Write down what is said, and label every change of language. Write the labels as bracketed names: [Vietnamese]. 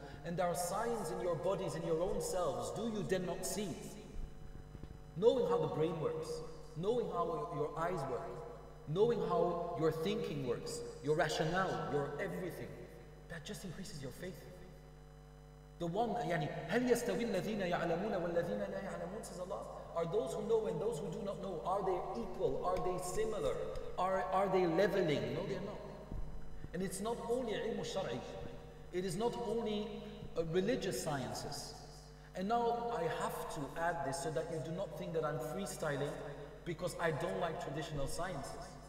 [English] And there are signs in your bodies, in your own selves. Do you then not see? Knowing how the brain works, knowing how your eyes work, knowing how your thinking works, your rationale, your everything, that just increases your faith. The one, [Arabic] يعني, هَلْ يَسْتَوِي الَّذِينَ يَعْلَمُونَ وَالَّذِينَ لَا يَعْلَمُونَ, [English] says Allah. Are those who know and those who do not know, are they equal? Are they similar? Are they leveling? No, they're not. And it's not only ilmu shar'i. It is not only religious sciences. And now I have to add this so that you do not think that I'm freestyling because I don't like traditional sciences.